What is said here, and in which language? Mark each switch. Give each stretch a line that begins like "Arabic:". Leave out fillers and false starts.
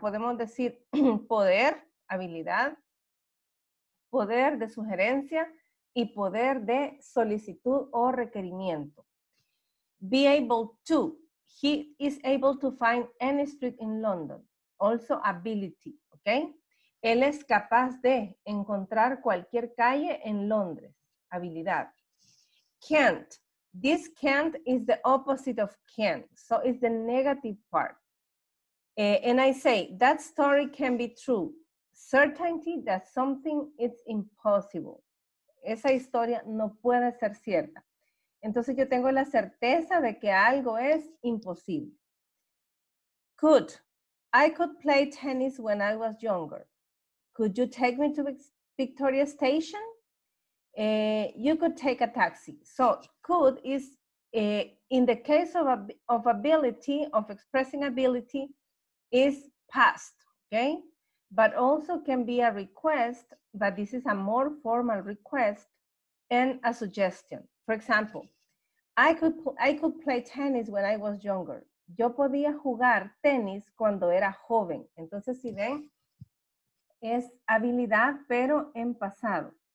Spanish: Podemos decir poder, habilidad, poder de sugerencia y poder de solicitud o requerimiento.
English: Be able to, he is able to find any street in London.
Spanish: Also ability, okay? Él es capaz de encontrar cualquier calle en Londres. Habilidad.
English: Can't, this can't is the opposite of can. So it's the negative part. And I say, that story can be true. Certainty that something is impossible.
Spanish: Esa historia no puede ser cierta. Entonces yo tengo la certeza de que algo es imposible.
English: Could. I could play tennis when I was younger. Could you take me to Victoria Station? You could take a taxi. So could is in the case of ability, of expressing ability, is past, okay? But also can be a request, but this is a more formal request and a suggestion. For example, I could play tennis when I was younger.
Spanish: Yo podía jugar tenis cuando era joven. Entonces, si ven, es habilidad, pero en pasado.